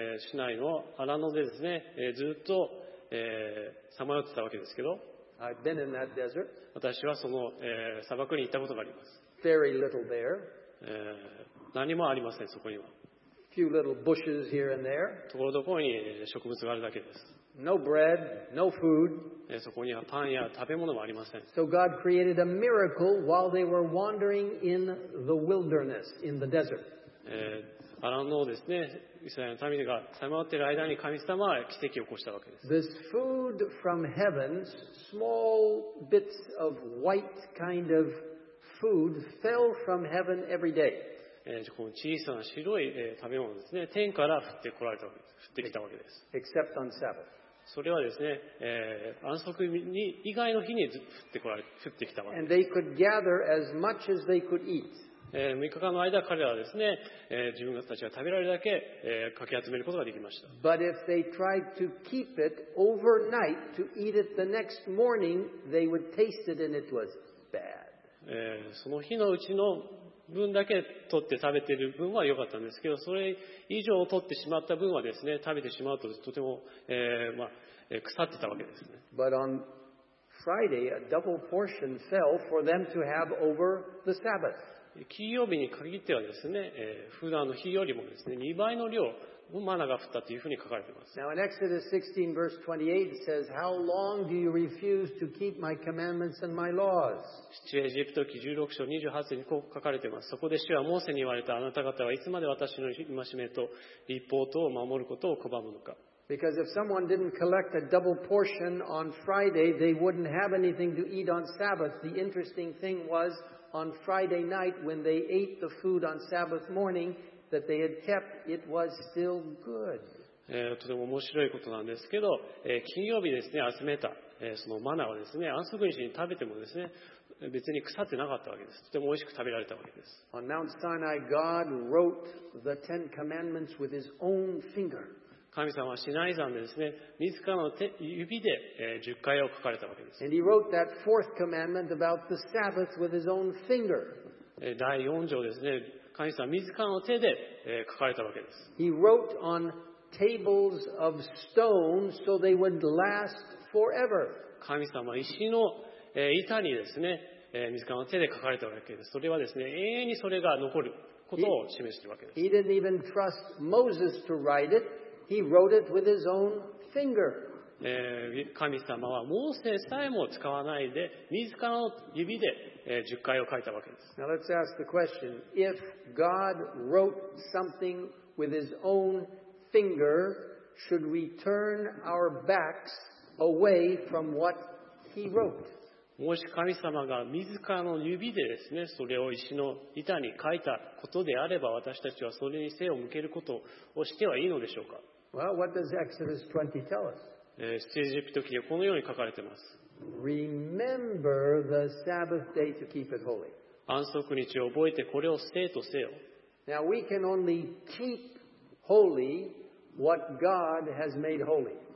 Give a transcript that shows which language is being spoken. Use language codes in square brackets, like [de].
[ja] シナイの荒野でですね、ずっとさまよってたわけですけど、 [en] I've been in that desert. [ja] 私はその、砂漠に行ったことがあります。 [en] Very little there. [ja] 何もありません、そこには。 [en] Few little bushes here and there. [ja] ところどころに植物があるだけです。 [en] No bread, no food. [ja] そこにはパンや食べ物もありません。 [en] So God created a miracle while they were wandering in the wilderness, in the desert. [ja] アランのですね、イスラエルの民がさまよっている間に神様は奇跡を起こしたわけです。 [en] This food from heaven, small bits of white kind of food, fell from heaven every day. [ja] この小さな白い食べ物ですね、天から降ってこられたわけです。降ってきたわけです。 [en] Except on Sabbath. [ja] それはですね、安息日以外の日に降ってきたわけです。 [en] And they could gather as much as they could eat. [ja] 6日間の間、彼らはですね、自分たちが食べられるだけ、かき集めることができました。 [en] But if they tried to keep it overnight to eat it the next morning, they would taste it and it was bad. [ja] その日のうちの分だけ取って食べている分は良かったんですけど、それ以上取ってしまった分はですね、食べてしまうととても、腐ってたわけですね。 [en] But on Friday, a double portion fell for them to have over the Sabbath. [ja] 金曜日に限ってはですね、普段の日よりもですね、2倍の量のマナが降ったというふうに書かれています。 [en] Now in Exodus 16, verse 28, it says, How long do you refuse to keep my commandments and my laws? [ja] 出エジプト記16章28節にこう書かれています。そこで主はモーセに言われた、あなた方はいつまで私の戒めと律法とを守ることを拒むのか。 [en] Because if someone didn't collect a double portion on Friday, they wouldn't have anything to eat on Sabbath. The interesting thing was, on Friday night, when they ate the food on Sabbath morning,That they had kept, it was still good. [ja] とても面白いことなんですけど、金曜日ですね、集めた、そのマナはですね、安息日に食べてもですね、別に腐ってなかったわけです。とても美味しく食べられたわけです。 [en] On Mount Sinai, God wrote the Ten Commandments with His own finger. [ja] 神様はシナイ山でですね、自らの指で、十戒を書かれたわけです。 [en] And He wrote that fourth commandment about the Sabbath with His own finger. [ja] 第四条ですね。神様は自らの手で書かれたわけです。 [en] He wrote on tables of stone so they would last forever. [ja] 神様は石の板にですね、自らの手で書かれたわけです。それはですね、永遠にそれが残ることを示しているわけです。 [en] He didn't even trust Moses to write it. He wrote it with his own finger. [ja] 神様はモーセさえも使わないで、自らの指で十戒を書いたわけです。 [en] Now let's ask the question. If God wrote something with His own finger, should we turn our backs away from what He wrote? [ja] もし神様が自らの指でですね、それを石の板に書いたことであれば、私たちはそれに背を向けることをしてはいいのでしょうか。 [en] Well, what does Exodus 20 tell us? [ja] 出エジプト記にはこのように書かれています。 [en] Remember the Sabbath day to keep it holy. [ja] 安息日を覚えてこれを聖とせよ。 [en] Now we can only keep holy what God has made holy.